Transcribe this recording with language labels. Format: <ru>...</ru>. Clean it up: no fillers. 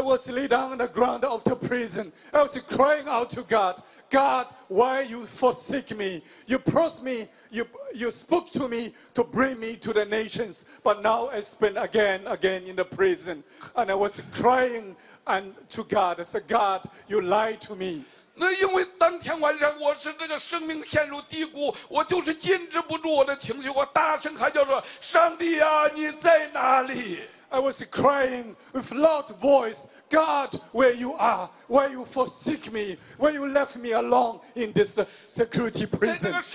<en>was laid down on the ground of the prison. I was crying out to God, God, why you forsake me? You promised me, you spoke to me to bring me to the nations, but now I spend again in the prison, and I was crying. And to God, I said, God, you lied to me.</en> <zh>那因为当天晚上我是这个生命陷入低谷，我就是禁止不住我的情绪，我大声喊叫说：“上帝啊，你在哪里？”</zh> <en>I was crying with loud voice, God, where you are? Why you forsake me? Why you left me alone in this security prison?</en>